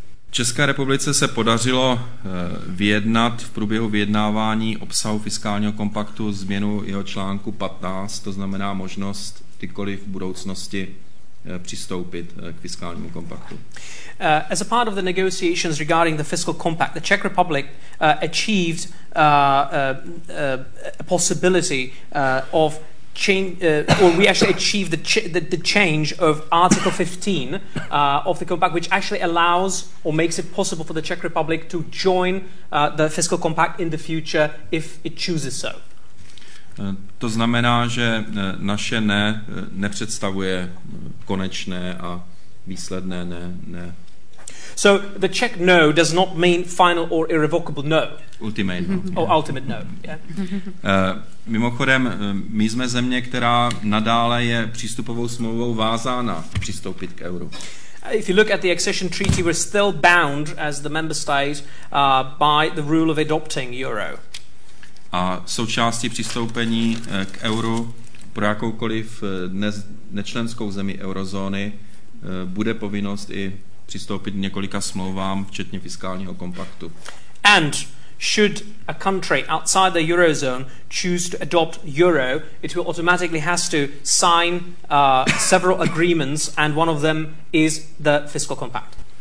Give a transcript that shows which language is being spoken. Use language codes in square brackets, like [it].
[cs] V České republice se podařilo vyjednat v průběhu vyjednávání obsahu fiskálního kompaktu změnu jeho článku 15, to znamená možnost kdykoliv v budoucnosti přistoupit k fiskálnímu kompaktu. [en] As a part of the negotiations regarding the fiscal compact, the Czech Republic achieved a possibility of change, or we actually achieved the change of Article 15 of the compact, which actually allows or makes it possible for the Czech Republic to join the fiscal compact in the future if it chooses so. [cs] To znamená, že naše ne nepředstavuje konečné a výsledné ne. [en] So the Czech no does not mean final or irrevocable no. Ultimate no. Or ultimate no. [cs] Mimochodem, my jsme země, která nadále je přístupovou smlouvou vázána přistoupit k euru. [en] If you look at the accession treaty, we're still bound as the member state by the rule of adopting euro. [cs] A součástí přistoupení k euru pro jakoukoliv nečlenskou zemi eurozóny bude povinnost i přistoupit několika smlouvám, včetně fiskálního kompaktu. [en] And should a country outside the eurozone choose to adopt euro, it will automatically has to sign several agreements, and one of them is the fiscal compact.